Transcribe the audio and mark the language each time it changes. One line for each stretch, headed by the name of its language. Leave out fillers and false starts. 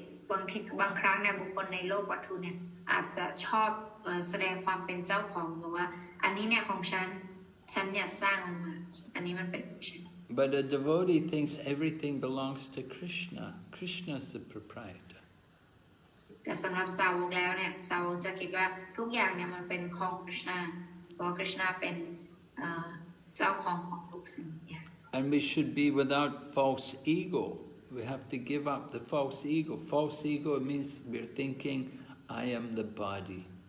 Thai: บางครั้งเนี่ยบุคคลในโลกวัตถุเนี่ยอาจจะชอบแสดงความเป็นเจ้าของหรือว่าอันนี้เนี่ยของฉันเนี่ยสร้างมาอันนี้มันเป็นของฉัน
English: But a devotee thinks everything belongs to Krishna. Krishna's the proprietor.
Thai: แต่สำหรับสาวกแล้วเนี่ยสาวกจะคิดว่าทุกอย่างเนี่ยมันเป็นของคริชนาเพราะคริชนาเป็นเจ้าของของทุกสิ่ง
English: And we should be without false ego. We have to give up the false ego. False ego means we're thinking, I am the body.